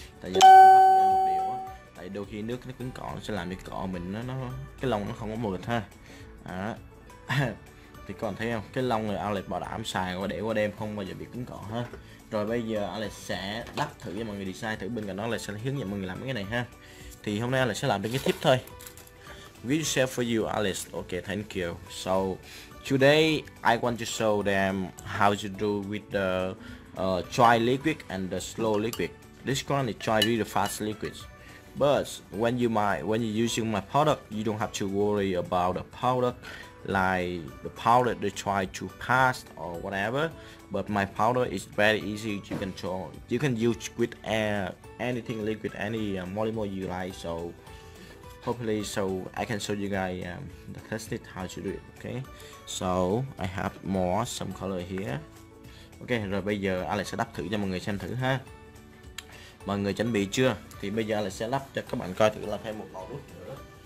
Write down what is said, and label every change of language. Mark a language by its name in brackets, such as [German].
[Vietnamese] Tại vì đôi khi nước nó cứng cỏ nó sẽ làm cái cỏ mình nó cái lông nó không có mượt ha. Thì các bạn thấy không, cái lông này Alex bảo đảm xài qua để qua đêm không bao giờ bị cứng cỏ ha. Rồi bây giờ Alex sẽ đắp thử cho mọi người design thử, bên cạnh đó Alex sẽ hướng dẫn mọi người làm cái này ha. Thì hôm nay Alex sẽ làm được cái tip thôi. [English] Visual for you Alex, ok thank you. So today I want to show them how to do with the dry liquid and the slow liquid. This one is dry really fast liquid. But when you're using my product, you don't have to worry about the product. Like the powder they try to pass or whatever, but my powder is very easy to control. You can use with anything liquid, any molecule you like. So hopefully, so I can show you guys the tested how to do it. Okay, so I have more some color here. [Vietnamese] Okay, rồi bây giờ Alex sẽ đắp thử cho mọi người xem thử ha. Mọi người chuẩn bị chưa? Thì bây giờ Alex sẽ lắp cho các bạn coi thử là thêm một màu nước nữa.